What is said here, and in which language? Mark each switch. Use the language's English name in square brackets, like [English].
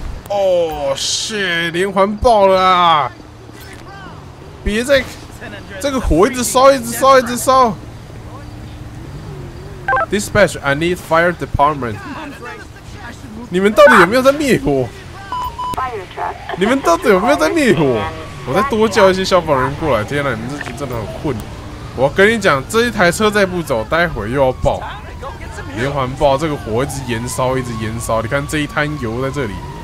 [Chinese] 哦 ，shit， 连环爆了啊！别再。这个火一直烧，一直烧，一直烧。 [English] Dispatch, I need fire department. [Chinese] 你们到底有没有在灭火？你们到底有没有在灭火？我再多叫一些消防人过来。天哪，你们这局真的很混。我跟你讲，这一台车再不走，待会又要爆，连环爆。这个火一直延烧，一直延烧。你看这一滩油在这里。